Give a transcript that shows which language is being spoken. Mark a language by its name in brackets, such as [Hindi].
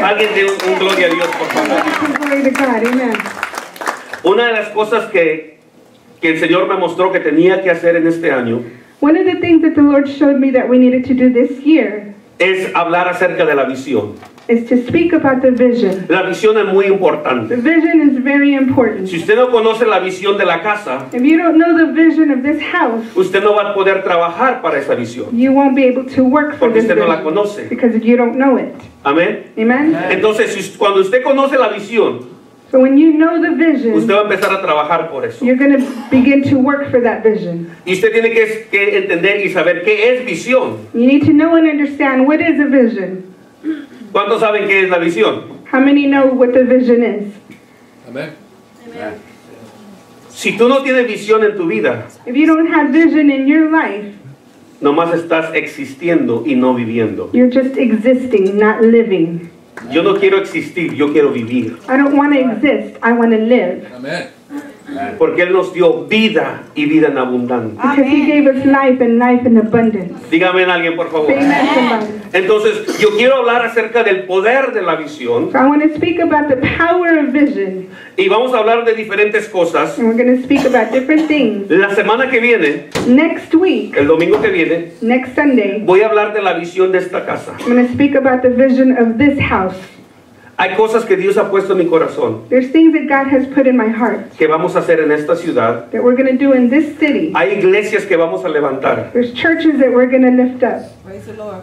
[Spanish] Alguien dé un gloria a Dios, por favor. [English] Glory to God. Amen. [Spanish] Una de las cosas que el Señor me mostró que tenía que hacer en este año. [English] One of the things that the Lord showed me that we needed to do this year. [Spanish] Es hablar acerca de la visión. [English] Is to speak about the vision. [Spanish] La visión es muy importante. [English] The vision is very important. [Spanish] Si usted no conoce la visión de la casa, [English] if you don't know the vision of this house, [Spanish] usted no va a poder trabajar para esa visión. [English] You won't be able to work for [Spanish] porque [English] this [Spanish] usted [English] vision [Spanish] no la conoce. [English] Because you don't know it. [Spanish] Amén. [English] Amen. [Spanish] Entonces, cuando usted conoce la visión, [English] so when you know the vision, [Spanish] usted va a empezar a trabajar por eso. [English] You're going to begin to work for that vision. [Spanish] Y usted tiene que entender y saber qué es visión. [English] You need to know and understand what is a vision. [Spanish] ¿Cuántos saben qué es la visión? [English] How many know what the vision is? Amen. [Spanish] Si tú no tienes visión en tu vida, [English] if you don't have vision in your life, [Spanish] nomás estás existiendo y no viviendo. [English] You're just existing, not living. [Spanish] Yo no quiero existir, yo quiero vivir. [English] I don't want to exist, I want to live. Amen. [Spanish] Porque él nos dio vida y vida en abundancia. [English] Because he gave us life and life in abundance. [Spanish] Dígame a alguien, por favor. Entonces, yo quiero hablar acerca del poder de la visión. [English] So I want to speak about the power of vision. [Spanish] Y vamos a hablar de diferentes cosas. [English] And we're going to speak about different things. [Spanish] La semana que viene, [English] next week, [Spanish] el domingo que viene, [English] next Sunday, [Spanish] voy a hablar de la visión de esta casa. [English] I'm going to speak about the vision of this house. [Spanish] Hay cosas que Dios ha puesto en mi corazón. [English] There's things that God has put in my heart. [Spanish] Que vamos a hacer en esta ciudad. [English] That we're going to do in this city. [Spanish] Hay iglesias que vamos a levantar. [English] There's churches that we're going to lift up.